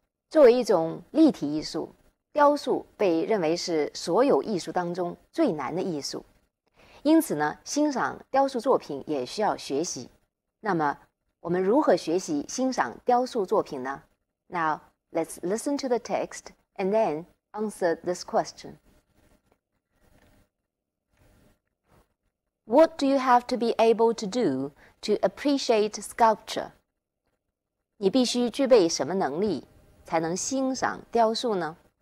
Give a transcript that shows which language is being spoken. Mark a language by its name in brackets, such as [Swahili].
[Chinese] 作为一种立体艺术，雕塑被认为是所有艺术当中最难的艺术。因此呢，欣赏雕塑作品也需要学习。那么，我们如何学习欣赏雕塑作品呢？ [English] 那Let's listen to the text and then answer this question. What do you have to be able to do to appreciate sculpture? [Chinese] 你必须具备什么能力才能欣赏雕塑呢?